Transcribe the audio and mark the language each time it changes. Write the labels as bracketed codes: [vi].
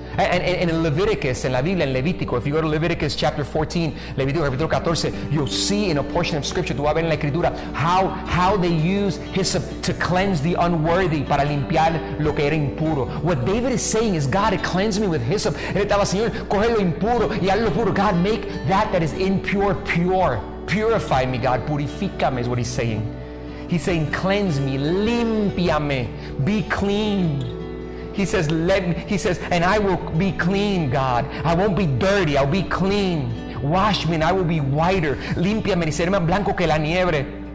[en] And in Leviticus, [es] en la Biblia, en Levítico, [en] if you go to Leviticus chapter 14, [es] Levítico capítulo 14, [en] you'll see in a portion of scripture, [es] tú vas a ver en la escritura, [en] how they use hyssop to cleanse the unworthy, [es] para limpiar lo que era impuro. [en] What David is saying is, God, cleanse me with hyssop. [es] Él estaba, Señor, coge lo impuro y hazlo puro. [en] God, make that is impure, pure. Purify me, God. [es] Purifícame, [en] is what he's saying. He's saying, cleanse me, [es] limpiame, [en] be clean. He says, and I will be clean, God. I won't be dirty, I'll be clean. Wash me and I will be whiter. [es] Limpiame, y seré más blanco que la nieve.